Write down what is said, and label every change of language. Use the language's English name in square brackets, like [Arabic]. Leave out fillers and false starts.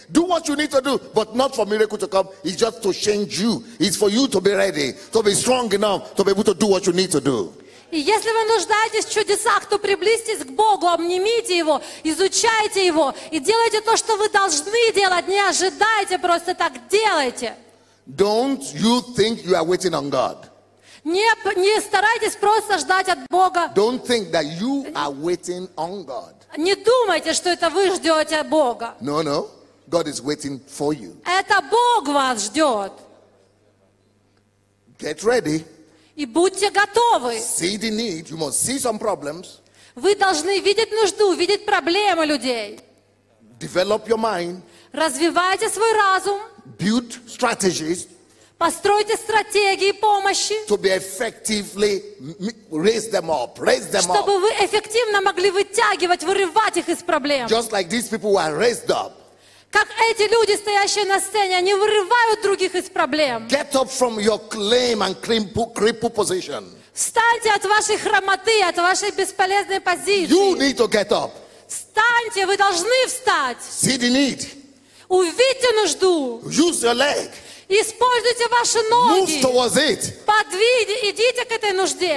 [English] Do what you need to do, but not for miracle to come. It's just to change you. It's for you to be ready, to be strong enough, to be able to do what you need to do. [Russian] И если вы нуждаетесь в чудесах, то приблизьтесь к Богу, обнимите Его, изучайте Его и делайте то, что вы должны делать. Не ожидайте, просто так делайте. [English] Don't you think you are waiting on God? [Russian] Не старайтесь просто ждать от Бога. [English] Don't think that you are waiting on God. [Russian] Не думайте, что это вы ждете Бога. [English] No, no. God is waiting for you. [Russian] Это Бог вас ждет. [English] Get ready. [Russian] И будьте готовы. [English] See the need. You must see some problems. [Russian] Вы должны видеть нужду, видеть проблемы людей. [English] Develop your mind. [Russian] Развивайте свой разум. [English] Build strategies. [Russian] Постройте стратегии помощи. [English] To be effectively raise them up, raise them [Russian] чтобы [English] up. [Russian] Вы эффективно могли вытягивать, вырывать их из проблем. [English] Just like these people were raised up. [Russian] Как эти люди, стоящие на сцене, они вырывают других из проблем. [English] Get up from your claim and crippled position. [Russian] Встаньте от вашей хромоты, от вашей бесполезной позиции. [English] You need to get up. [Russian] Встаньте, вы должны встать. [English] See the need. [Russian] Увидьте нужду. [English] Use your leg. [Russian] Используйте ваши ноги. [English] Move towards it. [Russian] Идите к этой нужде.